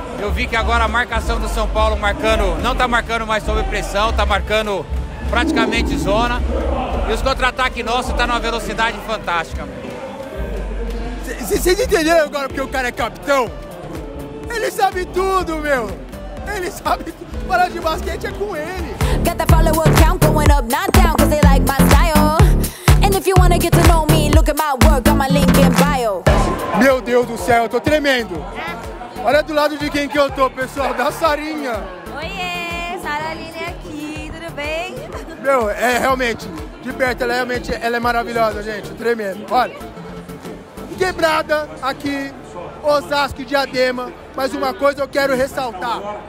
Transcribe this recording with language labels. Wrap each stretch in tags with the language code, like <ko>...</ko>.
<pt>Eu vi que agora a marcação do São Paulo marcando, não tá marcando mais sob pressão, tá marcando praticamente zona. E os contra-ataques nossos tá numa velocidade fantástica. Vocês entenderam agora porque o cara é capitão? Ele sabe tudo, meu! Ele sabe tudo! Falar de basquete é com ele!</pt> <en>Got the follower count going up, not down, cause they like my style. And if you wanna get to know me, look at my work on my link in bio.</en> <pt>Meu Deus do céu, eu tô tremendo! Olha do lado de quem que eu tô, pessoal, da Sarinha! Oiê, Sara Aline aqui, tudo bem? Meu, é realmente, de perto, ela é maravilhosa, gente, tremendo. Olha, quebrada aqui, Osasco e Diadema, mas uma coisa eu quero ressaltar.</pt>